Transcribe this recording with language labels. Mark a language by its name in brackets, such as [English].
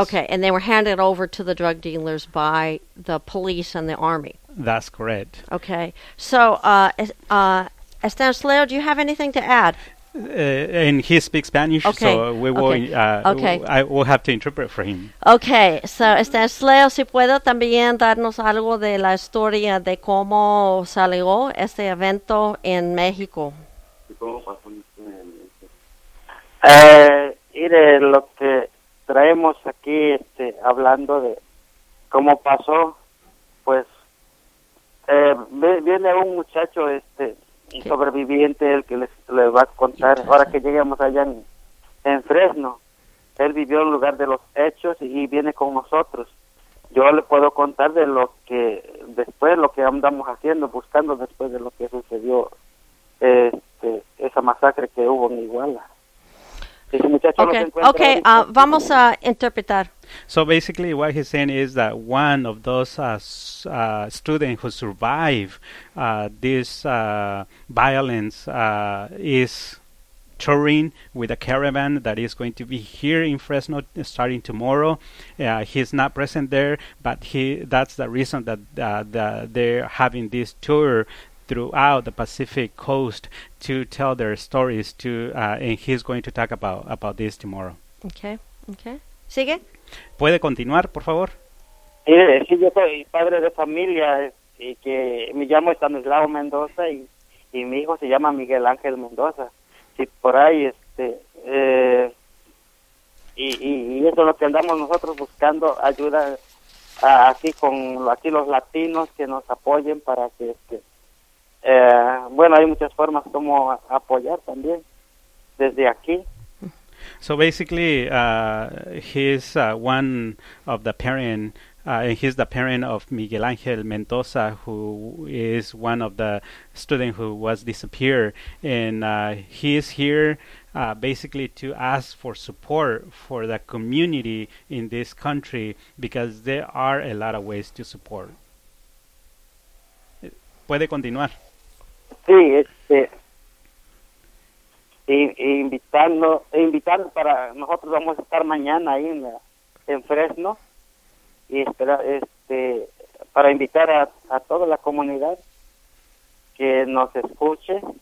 [English] Okay, and they were handed over to the drug dealers by the police and the army. That's correct. Okay, so Estanislao, do you have anything to add? And he speaks Spanish, okay. I will have to interpret for him. Okay, so [Spanish] Estanislao, si puedo también darnos algo de la historia de cómo salió este evento en México. Mire, lo que traemos aquí, hablando de cómo pasó, pues viene un muchacho, y sobreviviente, el que les va a contar ahora que lleguemos allá en Fresno. Él vivió en el lugar de los hechos y viene con nosotros. Yo le puedo contar de lo que después, lo que andamos haciendo, buscando después de lo que sucedió, esa masacre que hubo en Iguala. Okay. Vamos a interpretar. [English] So basically, what he's saying is that one of those students who survived this violence is touring with a caravan that is going to be here in Fresno starting tomorrow. He's not present there, but that's the reason that they're having this tour throughout the Pacific Coast to tell their stories to, and he's going to talk about this tomorrow. [Spanish] Okay. Sigue. ¿Puede continuar, por favor? Sí, yo soy padre de familia, y que me llamo Estanislao Mendoza, y mi hijo se llama Miguel Ángel Mendoza. Sí, por ahí, y eso es lo que andamos nosotros buscando, ayuda aquí los latinos que nos apoyen para que, hay muchas formas como apoyar también desde aquí. [English] So basically, he's one of the parents, and he's the parent of Miguel Ángel Mendoza, who is one of the students who was disappeared. And he is here basically to ask for support for the community in this country, because there are a lot of ways to support. [Spanish] ¿Puede continuar? Sí, invitando para nosotros, vamos a estar mañana ahí en Fresno, y esperar para invitar a toda la comunidad que nos escuche.